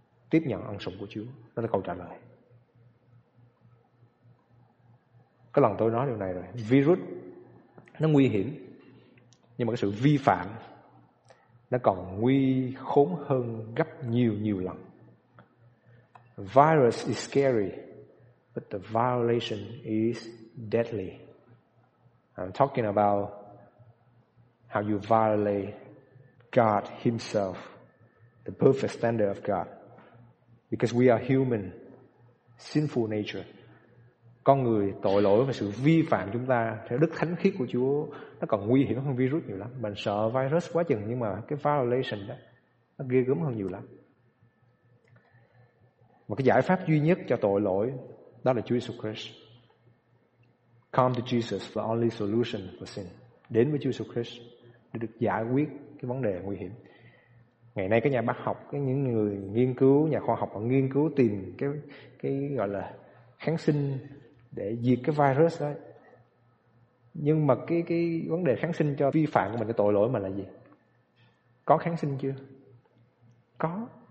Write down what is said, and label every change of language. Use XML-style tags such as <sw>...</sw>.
<vi>Tiếp nhận ân sủng của Chúa. Đó là câu trả lời. Có lần tôi nói điều này rồi. Virus, nó nguy hiểm. Nhưng mà cái sự vi phạm nó còn nguy khốn hơn gấp nhiều nhiều lần.</vi> <en>Virus is scary, but the violation is deadly. I'm talking about how you violate God Himself, the perfect standard of God. Because we are human, sinful nature.</en> <vi>Con người tội lỗi và sự vi phạm chúng ta theo đức thánh khiết của Chúa nó còn nguy hiểm hơn virus nhiều lắm. Mình sợ virus quá chừng, nhưng mà cái violation đó nó ghê gớm hơn nhiều lắm. Và cái giải pháp duy nhất cho tội lỗi đó là Chúa Jesus Christ.</vi> <en>Come to Jesus, the only solution for sin.</en> <vi>Đến với Chúa Jesus Christ để được giải quyết cái vấn đề nguy hiểm. Ngày nay các nhà bác học, cái những người nghiên cứu, nhà khoa học họ nghiên cứu tìm cái gọi là kháng sinh để diệt cái virus đó. Nhưng mà cái vấn đề kháng sinh cho vi phạm của mình, cái tội lỗi mà là gì? Có kháng sinh chưa? Có.</vi>